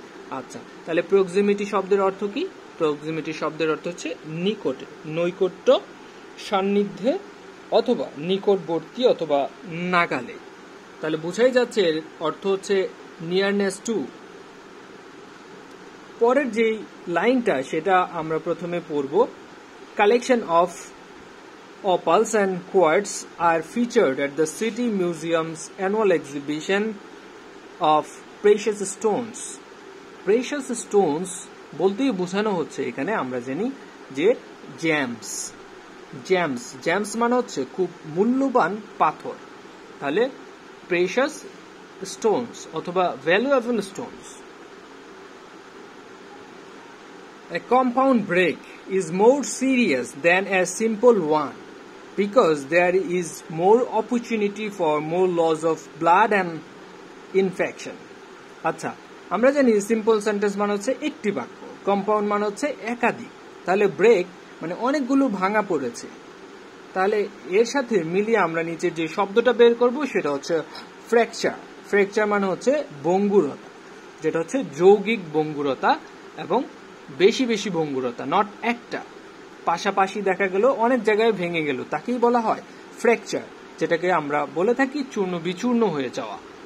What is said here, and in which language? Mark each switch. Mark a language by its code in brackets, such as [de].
[bn] আচ্ছা, তাহলে প্রক্সিমিটি শব্দের অর্থ কি? প্রক্সিমিটি শব্দের অর্থ হচ্ছে নিকটে, নৈকট্য, সান্নিধ্যে অথবা নিকটবর্তী অথবা নাগালে। তাহলে বুঝাই যাচ্ছে এর অর্থ হচ্ছে [en] Nearness to. [bn] পরের যেই লাইনটা সেটা আমরা প্রথমে পড়ব, [en] Collection of opals and quartz are featured at the City Museum's annual exhibition of precious stones. [bn] Precious stones বলতেই বোঝানো হচ্ছে এখানে আমরা জানি যে gems. Gems, gems মানে হচ্ছে খুব মূল্যবান পাথর. তাহলে [en] precious stones [bn] অথবা [en] valuable stones. A compound break is more serious than a simple one because there is more opportunity for more loss of blood and infection. [bn] আচ্ছা আমরা জানি সিম্পল সেন্টেন্স মানে হচ্ছে একটি বাক্য, কম্পাউন্ড মানে হচ্ছে একাধিক, তাহলে ব্রেক মানে অনেকগুলো ভাঙা পড়েছে, তাহলে এর সাথে মিলিয়ে আমরা নিচে যে শব্দটা বের করব সেটা হচ্ছে ফ্র্যাকচার. ফ্র্যাকচার মানে হচ্ছে ভঙ্গুরতা, যেটা হচ্ছে যৌগিক ভঙ্গুরতা এবং বেশি বেশি ভঙ্গুরতা, নট একটা, পাশাপাশি দেখা গেল অনেক জায়গায় ভেঙে গেল, তাকেই বলা হয় ফ্র্যাকচার, যেটাকে আমরা বলে থাকি চূর্ণ বিচূর্ণ হয়ে যাওয়া.